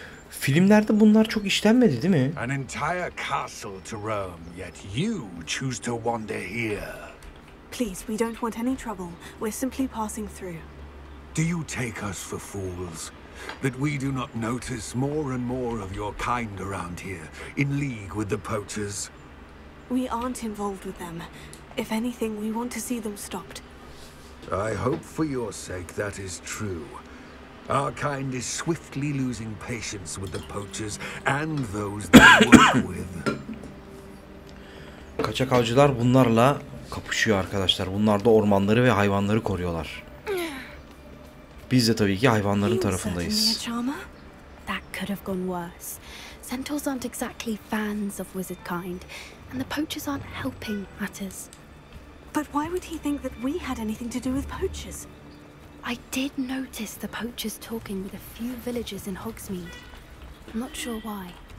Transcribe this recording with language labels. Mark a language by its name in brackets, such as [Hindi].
[Turkish] Filmlerde bunlar çok işlenmedi, değil mi? [English] An entire castle to roam, yet you choose to wander here. Please, we don't want any trouble. We're simply passing through. Do you take us for fools? That we do not notice more and more of your kind around here, in league with the poachers? We aren't involved with them. If anything, we want to see them stopped. I hope for your sake that is true. Our kind is swiftly losing patience with the poachers and those they work with. [Turkish] Kaçak avcılar bunlarla kapışıyor arkadaşlar. Bunlar da ormanları ve hayvanları koruyorlar. Biz de tabii ki hayvanların tarafındayız. [English] That could have gone worse. Centaurs aren't exactly fans of wizard kind and the poachers aren't helping matters. But why would he think that we had anything to do with poachers? I did notice the poachers talking with a few villagers in Hogsmeade. I'm not sure why.